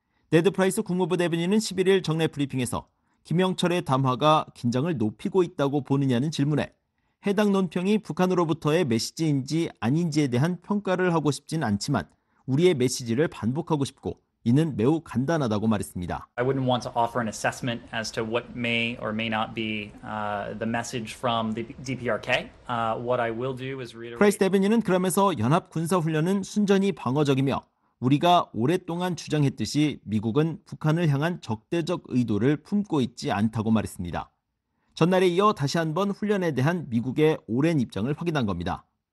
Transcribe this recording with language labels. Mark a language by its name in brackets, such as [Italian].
[Korean] 네드 프라이스 국무부 대변인은 11일 정례 브리핑에서 김영철의 담화가 긴장을 높이고 있다고 보느냐는 질문에 해당 논평이 북한으로부터의 메시지인지 아닌지에 대한 평가를 하고 싶진 않지만 우리의 메시지를 반복하고 싶고 이는 매우 간단하다고 말했습니다. [English] I wouldn't want to offer an assessment as to what may or may not be the message from the DPRK. What I will do is reiterate. [Korean] 프라이스 대변인은 그러면서 연합 군사 훈련은 순전히 방어적이며 우리가 오랫동안 주장했듯이 미국은 북한을 향한 적대적 의도를 품고 있지 않다고 말했습니다. 전날에 이어 다시 한번 훈련에 대한 미국의 오랜 입장을 확인한 겁니다.